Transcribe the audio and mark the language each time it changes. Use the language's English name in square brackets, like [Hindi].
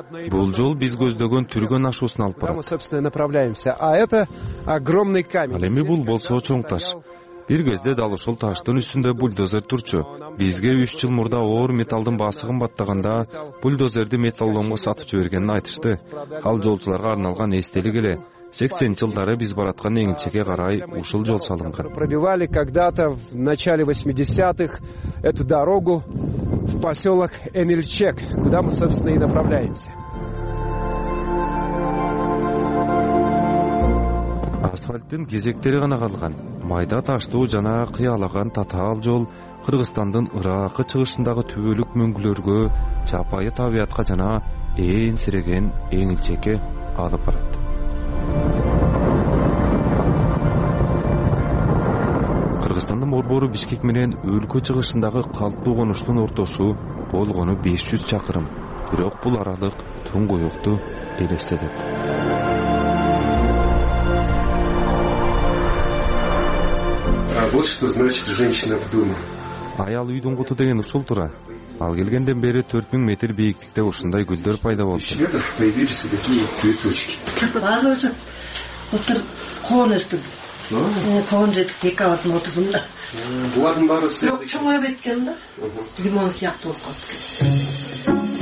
[Kyrgyz] Бул жол биз көздөгөн Түргөн ашуусуна алып барат. Ал эми бул болсо чоң таш. Бир кезде дал ошол таштын үстүндө бульдозер турчу. Бизге 3 жыл мурда оор металлдын баасы кымбаттаганда бульдозерди металлонго сатып жибергенин айтышты. Ал жолчуларга арналган эстелик эле. 80 жылдары биз бараткан эңилчеге карай ушул жол салынган. [Russian] Пробивали когда-то в начале 80-х эту дорогу в посёлок Эмильчек, куда мы собственно и направляемся. [Kyrgyz] Асфальттын кезектери гана калган, майда таштуу жана кыялаган татаал жол Кыргызстандын Ыраакы чыгышындагы түбөлүк мөңгүлөргө, жапайы табиятка жана эңсиреген эңилчекке алып барат. Кыргызстандын борбору Бишкек менен өлкө чыгышындагы калктуу конуштун ортосу болгону 500 чакырым, бирок бул аралык туңгуюкту элестетет. [Russian] Вот что значит женщина в доме. [Kyrgyz] Аял үйдүн куту деген ушул тура. Ал келгенден бери 4000 метр бийиктикте ушундай гүлдөр пайда болду. Ишке да [Russian] появились такие цветочки. [Kyrgyz] Аны ошо былтыр коон өстүм. Коон жетип эки кабатын отурдум да. Булардын баары сыяктуу. Бирок чоңоюп эткен да. Лимон сыяктуу болуп калды.